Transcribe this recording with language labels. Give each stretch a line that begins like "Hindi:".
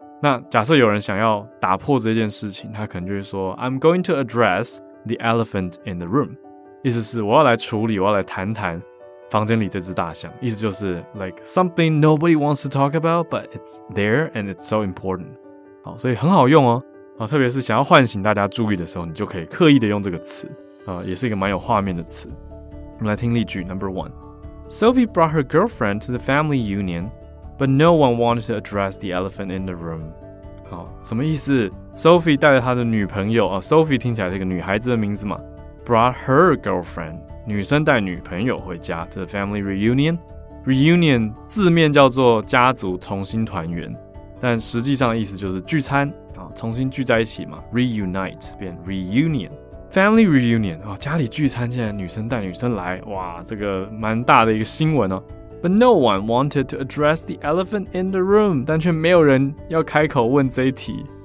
Chinese: 那假设有人想要打破这件事情，他可能就会说
English: I'm going to address the elephant in the room，
Chinese: 意思是我要来处理，我要来谈谈房间里这只大象，意思就是
English: like something nobody wants to talk about but it's there and it's so important。
Chinese: 好，所以很好用特别是想要唤醒大家注意的时候，你就可以刻意的用这个词也是一个蛮有画面的词。我们来听例句 number one。
English: Sophie brought her girlfriend to the family union, but no one wanted to address the elephant in the room.
Chinese: 什么意思？Sophie 带着她的女朋友Sophie 听起来是一个女孩子的名字嘛。
English: Brought her girlfriend,
Chinese: 女生带女朋友回家
English: to the family reunion.
Chinese: Reunion 字面叫做家族重新团圆，但实际上的意思就是聚餐重新聚在一起嘛。 Reunite 变 reunion。Family reunion 家里聚餐，竟然女生带女生来，哇，这个蛮大的一个新闻
English: But no one wanted to address the elephant in the room，
Chinese: 但却没有人要开口问这一题。